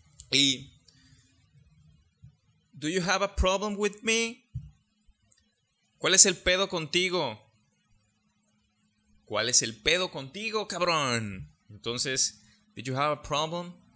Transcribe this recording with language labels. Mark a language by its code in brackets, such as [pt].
[en] Y do you have a problem with me? [es] ¿Cuál es el pedo contigo? ¿Cuál es el pedo contigo, cabrón? [en] Entonces, did you have a problem?